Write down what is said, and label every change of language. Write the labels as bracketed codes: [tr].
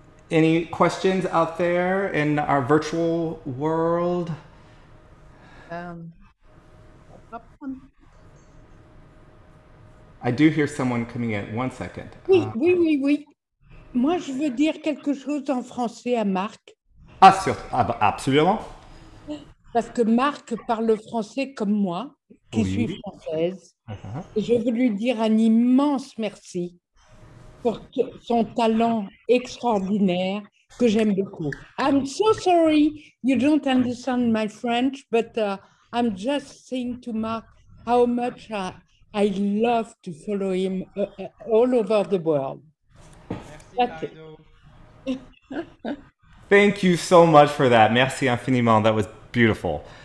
[en] Any questions out there in our virtual world? I do hear someone coming in. One second. [fr] Oui, oui, oui, oui. Moi, je veux dire quelque chose en français à Marc. Ah, sûr. Absolument. Parce que Marc parle français comme moi, qui oui. suis française. Uh-huh. Et je veux lui dire un immense merci pour son talent extraordinaire que j'aime beaucoup. [en] I'm so sorry you don't understand my French, but I'm just saying to Marc how much I love to follow him all over the world. [fr] Merci. [en] Thank you so much for that. [fr] Merci infiniment. [en] That was beautiful.